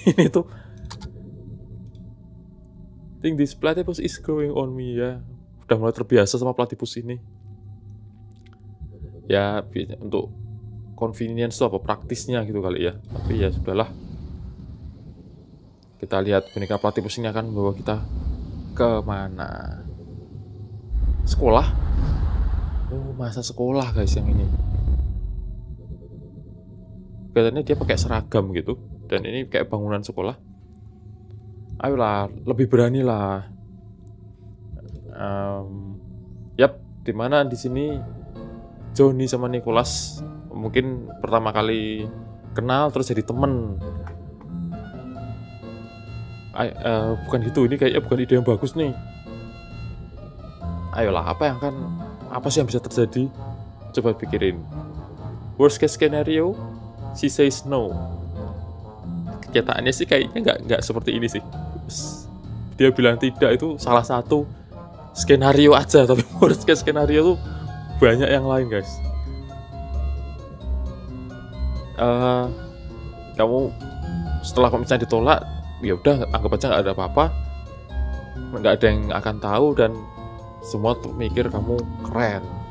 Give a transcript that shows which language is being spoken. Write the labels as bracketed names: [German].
[Indonesian] Ini tuh [English] think this platypus is growing on me ya. [Indonesian] Udah mulai terbiasa sama platypus ini. Ya, untuk convenience tuh apa praktisnya gitu kali ya. Tapi ya sudahlah. Kita lihat boneka platypus ini akan membawa kita ke mana. Sekolah. Oh, masa sekolah guys yang ini. Katanya dia pakai seragam gitu. Dan ini kayak bangunan sekolah. Ayolah, lebih berani lah. Yap, dimana di sini Johnny sama Nicholas mungkin pertama kali kenal terus jadi temen. Bukan gitu, ini kayaknya bukan ide yang bagus nih. Ayolah, apa sih yang bisa terjadi? Coba pikirin. [English] Worst case scenario, she says no. [Indonesian] Kenyataannya sih kayaknya nggak seperti ini sih. Dia bilang tidak itu salah satu skenario aja, tapi worst case skenario tuh banyak yang lain guys. Kamu setelah komisinya ditolak, ya udah anggap aja nggak ada apa-apa, nggak ada yang akan tahu dan semua tuh mikir kamu keren.